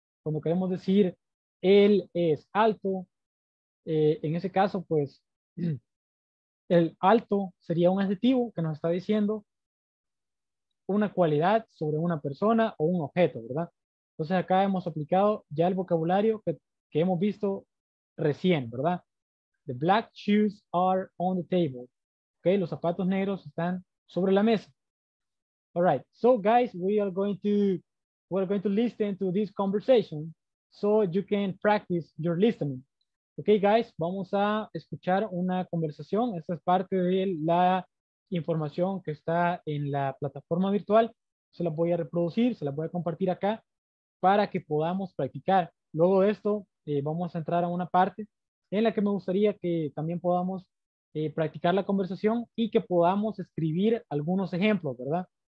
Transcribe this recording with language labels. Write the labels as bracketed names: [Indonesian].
[Spanish] Cuando queremos decir, él es alto, en ese caso, pues, el alto sería un adjetivo que nos está diciendo una cualidad sobre una persona o un objeto, ¿verdad? Entonces acá hemos aplicado ya el vocabulario que hemos visto recién, ¿verdad? [English] The black shoes are on the table. Okay, [Spanish] los zapatos negros están sobre la mesa. [English] All right, so guys, we're going to listen to this conversation so you can practice your listening. [Spanish] Okay, guys, vamos a escuchar una conversación. Esta es parte de la información que está en la plataforma virtual. Se la voy a reproducir, se la voy a compartir acá para que podamos practicar. Luego de esto, vamos a entrar a una parte en la que me gustaría que también podamos practicar la conversación y que podamos escribir algunos ejemplos, ¿verdad?